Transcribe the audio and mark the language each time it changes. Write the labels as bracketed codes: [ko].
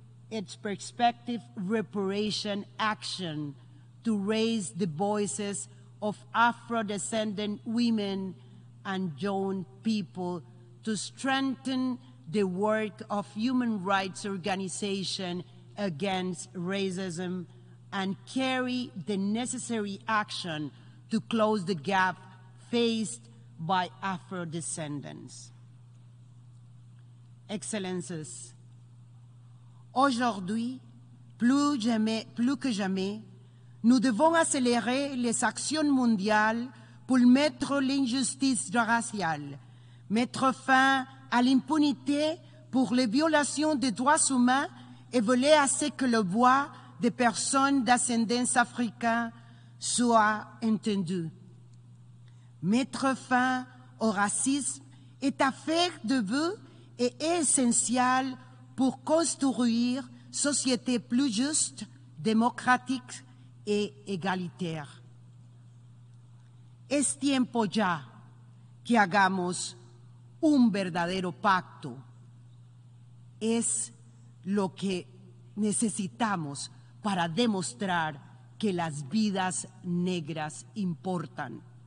[en] its perspective reparation action to raise the voices of Afro-descendant women and young people to strengthen the work of human rights organizations against racism and carry the necessary action to close the gap faced by Afro-descendants. [fr] Excellences, aujourd'hui, plus que jamais, nous devons accélérer les actions mondiales pour mettre l'injustice raciale, mettre fin à l'impunité pour les violations des droits humains et veiller à ce que la voix des personnes d'ascendance africaine soit entendue. Mettre fin au racisme est affaire de vœux et essentielle pour construire société plus juste, démocratique et égalitaire. [es] Es tiempo ya que hagamos un verdadero pacto. Es lo que necesitamos para demostrar que las vidas negras importan.